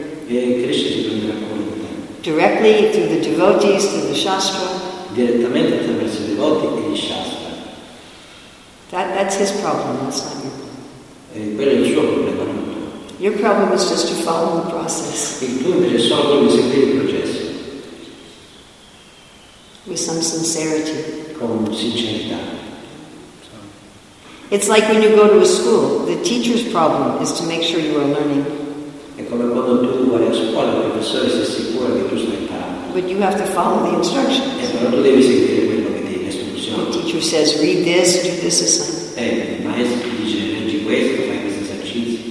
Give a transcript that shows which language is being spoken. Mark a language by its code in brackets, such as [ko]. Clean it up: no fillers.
[it] E Krishna si prenderà cuore di te. [en] Directly through the devotees, through the shastra. [it] Direttamente attraverso i devoti e il shastra. [en] That's his problem, that's not your problem. [it] E quello è il suo problema. [en] Your problem is just to follow the process. [it] Il tuo invece è solo di seguire il processo. [en] With some sincerity. [it] Con sincerità. [en] It's like when you go to a school. The teacher's problem is to make sure you are learning. [it] È come quando tu vai a scuola, il professore si assicura che tu stai imparando. [en] But you have to follow the instructions. [it] E però tu devi seguire quello che ti istruzioni. [en] The teacher says, read this, do this assignment. [it] E il maestro dice, leggi questo, fai questo esercizio.